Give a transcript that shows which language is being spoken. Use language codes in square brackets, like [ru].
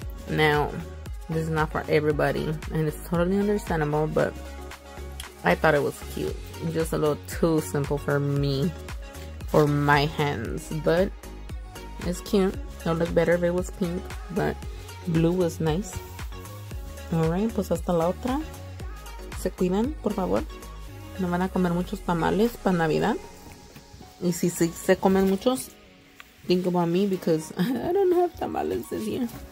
[en] Now, this is not for everybody. And it's totally understandable, but I thought it was cute. Just a little too simple for me. For my hands. But it's cute. It would look better if it was pink, but blue was nice. [es] Alright, pues hasta la otra. Se cuidan, por favor. No van a comer muchos tamales para Navidad. Y si se comen muchos, [en] think about me because I don't have tamales this year.